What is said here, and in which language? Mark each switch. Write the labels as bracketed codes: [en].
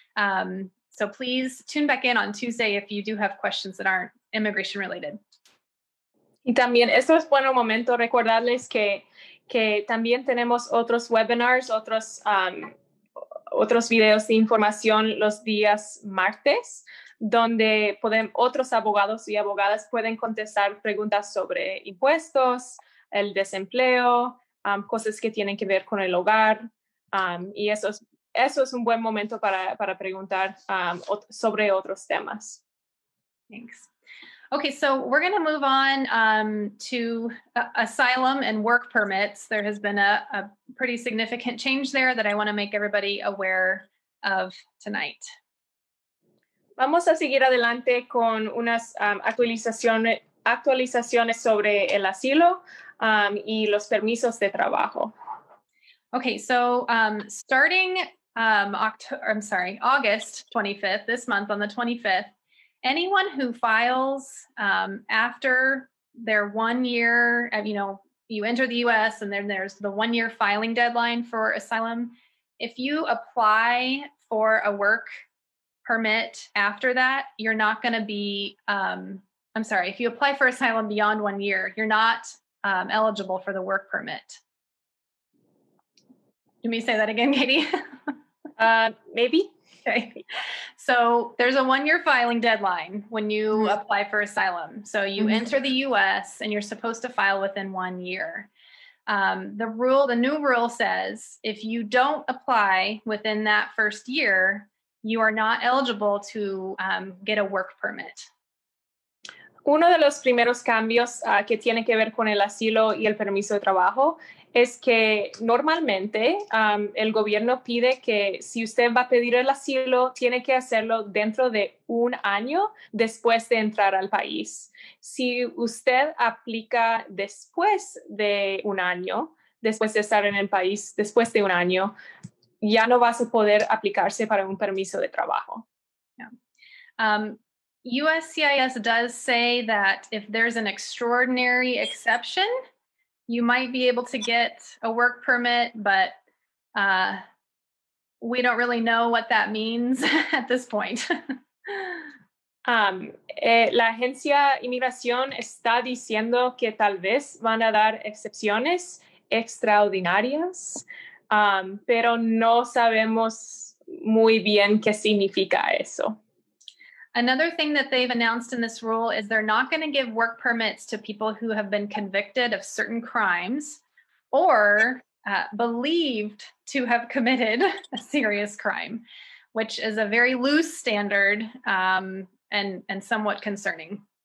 [en] So please tune back in on Tuesday if you do have questions that aren't immigration related. [es] Y también, esto es bueno momento recordarles que también tenemos otros webinars, otros videos de información los días martes, donde otros abogados y abogadas pueden contestar preguntas sobre impuestos, el desempleo, cosas que tienen que ver con el hogar. Y eso es un buen momento para preguntar sobre otros temas. [en] Thanks. Okay, so we're going to move on to asylum and work permits. There has been a pretty significant change there that I want to make everybody aware of tonight. [es] Vamos a seguir adelante con unas actualizaciones sobre el asilo y los permisos de trabajo. [en] Okay, so starting August 25th, this month on the 25th, anyone who files after their 1 year, you know, you enter the U.S. and then there's the 1 year filing deadline for asylum. If you apply for a work permit after that, you're not going to be, if you apply for asylum beyond 1 year, you're not eligible for the work permit. Let me say that again, Katie. maybe. Okay. So there's a one-year filing deadline when you apply for asylum. So you enter the U.S. and you're supposed to file within 1 year. The new rule says if you don't apply within that first year, you are not eligible to get a work permit. [es] Uno de los primeros cambios que tiene que ver con el asilo y el permiso de trabajo es que normalmente el gobierno pide que si usted va a pedir el asilo, tiene que hacerlo dentro de un año después de entrar al país. Si usted aplica después de un año, después de estar en el país, después de un año, ya no vas a poder aplicarse para un permiso de trabajo. [en] USCIS does say that if there's an extraordinary exception, you might be able to get a work permit, but we don't really know what that means at this point. [es] La agencia inmigración está diciendo que tal vez van a dar excepciones extraordinarias, pero no sabemos muy bien qué significa eso. [en] Another thing that they've announced in this rule is they're not going to give work permits to people who have been convicted of certain crimes or believed to have committed a serious crime, which is a very loose standard and somewhat concerning.